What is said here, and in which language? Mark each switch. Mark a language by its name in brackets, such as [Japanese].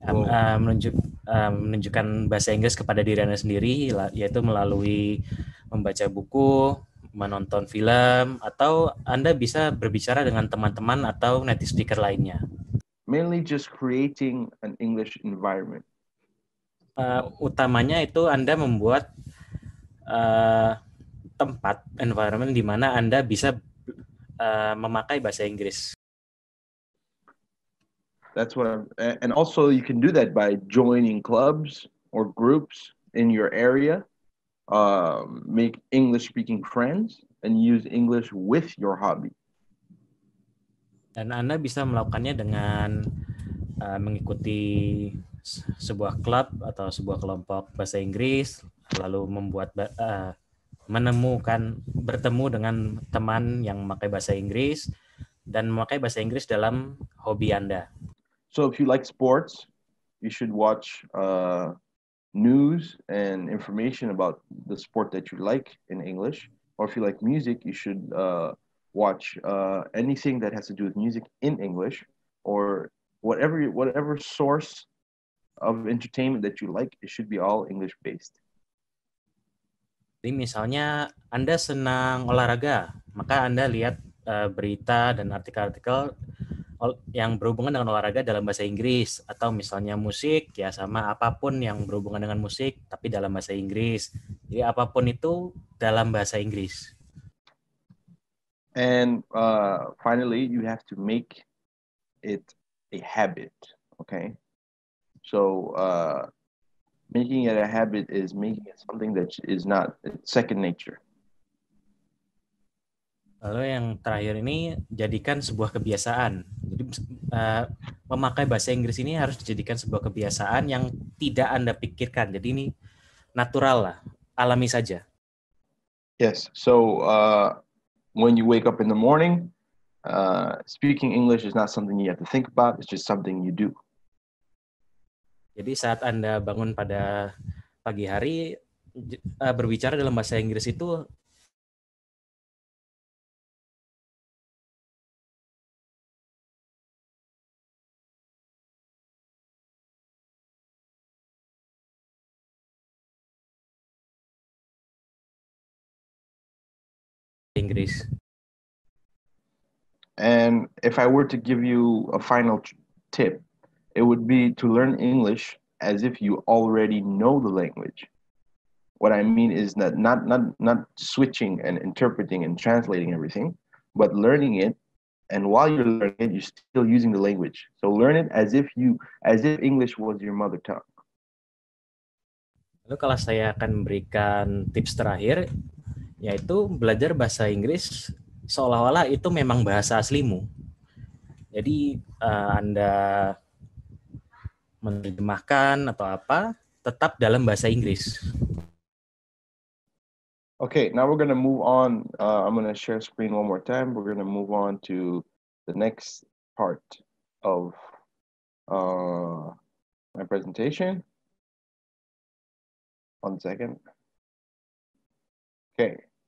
[Indonesian] Menunjukkan bahasa Inggris kepada diri Anda sendiri, yaitu melalui membaca buku, menonton film, atau Anda bisa berbicara dengan teman-teman atau native speaker lainnya. [English] Mainly just creating an English environment. [Indonesian] Utamanya itu Anda membuat tempat, environment di mana Anda bisa memakai bahasa Inggris. [English] That's what I'm, and also you can do that by joining clubs or groups in your area. Make English speaking friends and use English with your hobby. [Indonesian] Dan Anda bisa melakukannya dengan mengikuti sebuah klub atau sebuah kelompok bahasa Inggris, lalu membuat menemukan bertemu dengan teman yang memakai bahasa Inggris dan memakai bahasa Inggris dalam hobi Anda. [English] So if you like sports, you should watch news and information about the sport that you like in English. Or if you like music, you should watch anything that has to do with music in English, or whatever source of entertainment that you like, it should be all English based. [Indonesian] Jadi misalnya Anda senang olahraga, maka Anda lihat berita dan artikel-artikel yang berhubungan dengan olahraga dalam bahasa Inggris, atau misalnya musik, ya sama apapun yang berhubungan dengan musik, tapi dalam bahasa Inggris. Jadi apapun itu dalam bahasa Inggris. [English] And finally, you have to make it a habit, okay? So making it a habit is making it something that is not second nature. [Indonesian] Lalu yang terakhir ini, jadikan sebuah kebiasaan. Jadi memakai bahasa Inggris ini harus dijadikan sebuah kebiasaan yang tidak Anda pikirkan. Jadi ini natural lah, alami saja. [English] Yes, so when you wake up in the morning, speaking English is not something you have to think about, it's just something you do. [Indonesian] Jadi saat Anda bangun pada pagi hari, berbicara dalam bahasa Inggris itu Inggris. [English] And if I were to give you a final tip, it would be to learn English as if you already know the language. What I mean is that not switching and interpreting and translating everything, but learning it, and while you're learning it, you're still using the language. So learn it as if English was your mother tongue. [Indonesian] Lalu kalau saya akan memberikan tips terakhir, yaitu belajar bahasa Inggris seolah-olah itu memang bahasa aslimu. Jadi Anda menerjemahkan atau apa, tetap dalam bahasa Inggris. [English] Okay, now we're gonna move on. I'm gonna share screen one more time. We're gonna move on to the next part of my presentation. One second. Okay.